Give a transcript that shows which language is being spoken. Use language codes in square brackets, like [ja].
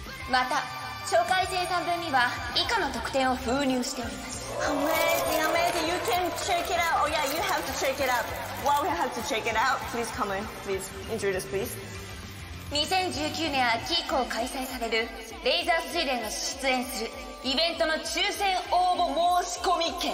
[ja] また初回生産分には以下の特典を封入しております。 [en] Amazing, you can check it out. Oh yeah, you have to check it out. Well, we have to check it out. Please come in, please introduce, please. [ja] 2019年秋以降開催されるレーザー水田が出演するイベントの抽選応募申し込み券。